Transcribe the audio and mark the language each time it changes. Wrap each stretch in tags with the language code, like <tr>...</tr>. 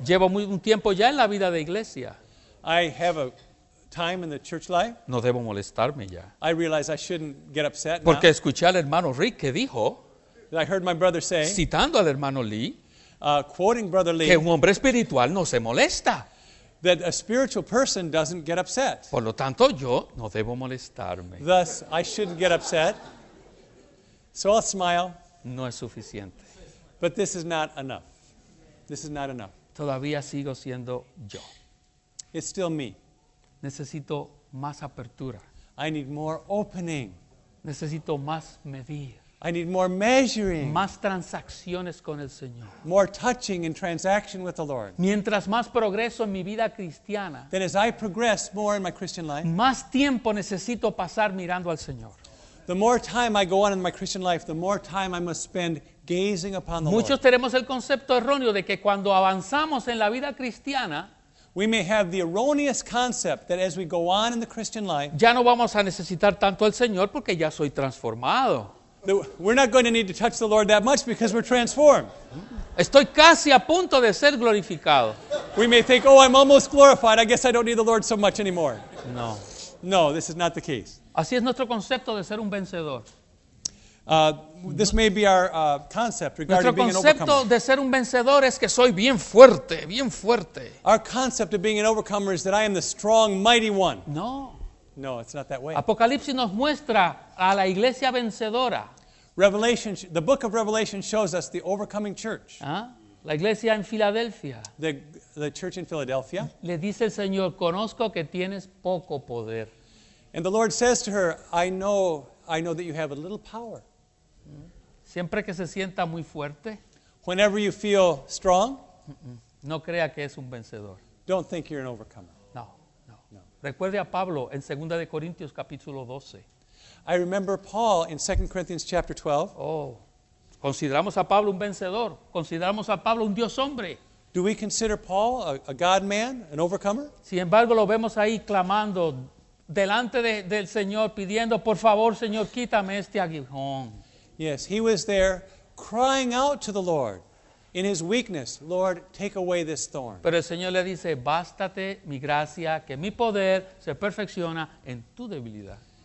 <es>Llevo un tiempo ya en la vida de iglesia.</es> <en>I have a time in the church life.</en> <es>No debo molestarme ya.</es> <en>I realize I shouldn't get upset.</en> <es>Porque</es> <en>now.</en> <es>Escuché al hermano Rick que dijo.</es> <en>I heard my brother say,</en> <es>citando al hermano Lee,</es> <en>quoting Brother Lee,</en> <es>que un hombre espiritual no se molesta.</es> <en>That a spiritual person doesn't get upset.</en> <es>Por lo tanto, yo no debo molestarme.</es> <en>Thus, I shouldn't get upset. So I'll smile.</en> <es>No es suficiente.</es> <en>But this is not enough. This is not enough.</en> <es>Todavía sigo siendo yo.</es> <en>It's still me.</en> <es>Necesito más apertura.</es> <en>I need more opening.</en> <es>Necesito más medir.</es> <en>I need more measuring.</en> <es>Más transacciones con el Señor.</es> <en>More touching and transaction with the Lord.</en> <es>Mientras más progreso en mi vida cristiana.</es> <en>Then as I progress more in my Christian life.</en> <es>Más tiempo necesito pasar mirando al Señor.</es> <en>The more time I go on in my Christian life, the more time I must spend gazing upon the</en> <es>Muchos</es> <en>Lord.</en> <es>Muchos tenemos el concepto erróneo de que cuando avanzamos en la vida cristiana.</es> <en>We may have the erroneous concept that as we go on in the Christian life.</en> <es>Ya no vamos a necesitar tanto al Señor porque ya soy transformado.</es> <en>We're not going to need to touch the Lord that much because we're transformed.</en> <es>Estoy casi a punto de ser glorificado.</es> <en>We may think, oh, I'm almost glorified. I guess I don't need the Lord so much anymore.</en> <es>No.</es> <en>No, this is not the case.</en> <es>Así es nuestro concepto de ser un vencedor.</es> <en>This may be our concept regarding</en> <es>nuestro</es> <en>being an overcomer.</en> <es>Nuestro concepto de ser un vencedor es que soy bien fuerte, bien fuerte.</es> <en>Our concept of being an overcomer is that I am the strong, mighty one.</en> <es>No.</es> <en>No, it's not that way.</en> <es>Apocalipsis nos muestra a la iglesia vencedora.</es> <en>Revelation, the book of Revelation shows us the overcoming church.</en> <es>La iglesia en Filadelfia.</es> <en>The church in Philadelphia.</en> <es>Le dice el Señor, conozco que tienes poco poder.</es> <en>And the Lord says to her, I know that you have a little power.</en> <es>Siempre que se sienta muy fuerte.</es> <en>Whenever you feel strong.</en> <es>No crea que es un vencedor.</es> <en>Don't think you're an overcomer.</en> <es>Recuerde a Pablo en 2 Corintios capítulo 12.</es> <en>I remember Paul in 2 Corinthians chapter 12.</en> <es>Oh, consideramos a Pablo un vencedor. Consideramos a Pablo un Dios hombre.</es> <en>Do we consider Paul a God man, an overcomer?</en> <es>Sin embargo, lo vemos ahí clamando delante del Señor, pidiendo, por favor, Señor, quítame este aguijón.</es> <en>Yes, he was there crying out to the Lord in his weakness, Lord, take away this thorn.</en> <es>Pero el Señor le dice, bástate mi gracia, que mi poder se perfecciona en tu debilidad.</es>